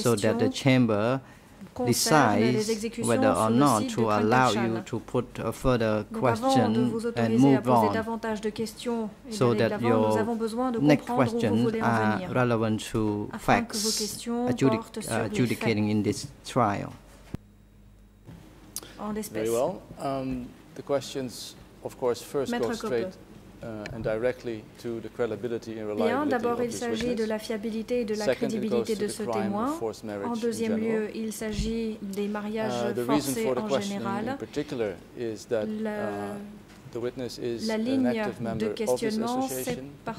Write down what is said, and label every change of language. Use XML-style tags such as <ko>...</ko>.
<en>so that the chamber decides whether or not to allow you to put a further question and move on so that your next questions are relevant to facts adjudicating in this trial.</en> <fr>en l'espèce.</fr> <en>Very well. The questions, of course, first go straight and directly to the credibility and reliability.</en> <fr>Bien, d'abord, il s'agit de la fiabilité et de la crédibilité de ce témoin. En deuxième lieu, il s'agit des mariages forcés en général.</fr> <en>The reason for the question in particular is that the witness is an active member of this association,</en>